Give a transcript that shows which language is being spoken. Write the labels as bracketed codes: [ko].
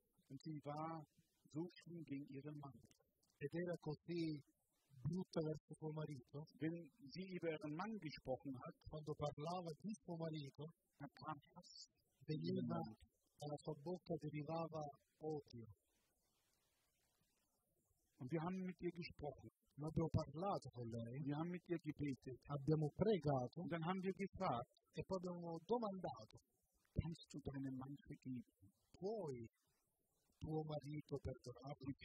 [de] Und sie war so schlimm gegen ihren Mann. [it] Ed era così brutta verso suo marito, [de] wenn sie über ihren Mann gesprochen hat, [it] quando parlava di suo marito, veniva dalla sua bocca derivava odio. [de] Und wir haben mit ihr gesprochen. [it] Noi abbiamo parlato con lei. [de] Wir haben mit ihr gebetet. [it] Abbiamo pregato. [de] Und dann haben wir gefragt. [it] E poi abbiamo domandato. [de] Kannst du deinen Mann vergeben? [it] Puoi tuo marito perdonare?